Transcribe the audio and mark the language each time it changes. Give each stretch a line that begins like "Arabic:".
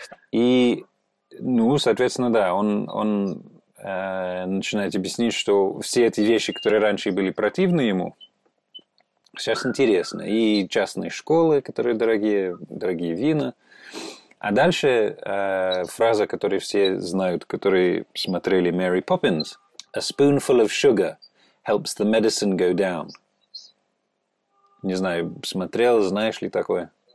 Russian: И, ну, соответственно, да, он начинает объяснить, что все эти вещи, которые раньше были противны ему, сейчас интересны. И частные школы, которые дорогие, дорогие вина. А дальше фраза, которую все знают, которые смотрели Мэри Поппинс.
English: A spoonful of sugar helps the medicine go down.
Russian: Не знаю, смотрел, знаешь ли такое?